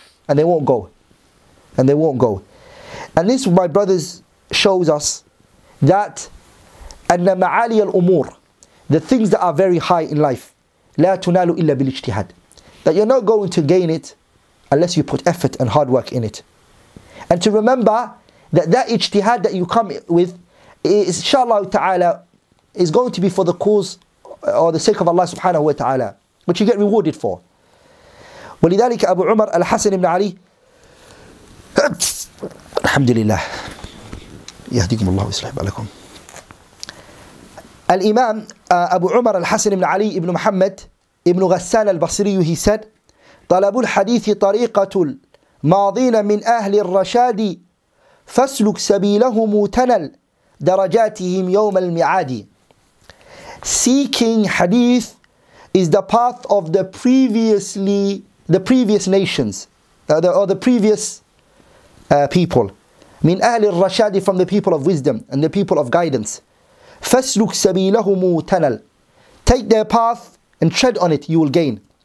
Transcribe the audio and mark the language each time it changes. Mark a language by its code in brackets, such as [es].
[en] And they won't go. And they won't go. And this, my brothers, shows us that [ar] أن معالي الأمور, [en] the things that are very high in life, [ar] لا تنال إلا بالاجتهاد, [en] that you're not going to gain it unless you put effort and hard work in it. And to remember that that ijtihad that you come with, inshallah ta'ala, is going to be for the cause or the sake of Allah subhanahu wa ta'ala, which you get rewarded for. [ar] ولذلك أبو عمر الحسن بن علي الحمد لله يهديكم الله ويصلح بالكم. Al-Imam Abu Umar al-Hasan ibn Ali ibn Muhammad ibn Ghassan al-Basri, [en] he said, [ar] طلب الحديث طريقة الماضين من أهل الرشاد فاسلك سبيلهم تنل درجاتهم يوم الميعاد. [en] Seeking hadith is the path of the previous people. [ar] من أهل الرشاد, [en] from the people of wisdom and the people of guidance. [ar] فَسْلُكْ سَبِيلَهُمُ تَنَلْ, [en] take their path and tread on it, you will gain.